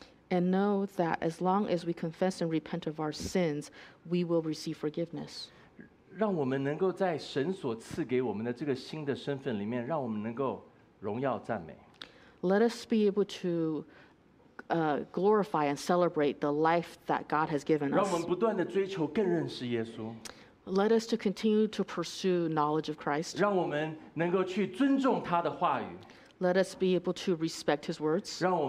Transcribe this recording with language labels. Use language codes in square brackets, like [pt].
[en] and know that as long as we confess and repent of our sins, we will receive forgiveness. [zh] 让我们能够在神所赐给我们的这个新的身份里面，让我们能够荣耀赞美。 [en] Let us be able to glorify and celebrate the life that God has given us. [zh] 让我们不断地追求更认识耶稣。 [en] Let us to continue to pursue knowledge of Christ. [zh] 让我们能够去尊重他的话语。 [en] Let us be able to respect his words.